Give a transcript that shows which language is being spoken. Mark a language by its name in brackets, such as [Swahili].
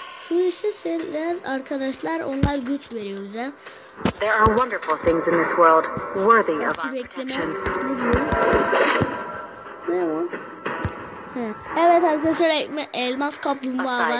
[Turkish] Şu yeşiller arkadaşlar, onlar güç veriyor bize. [English] There are wonderful things in this world worthy of our protection. [Turkish] Evet arkadaşlar, elmas kaplumbağa var.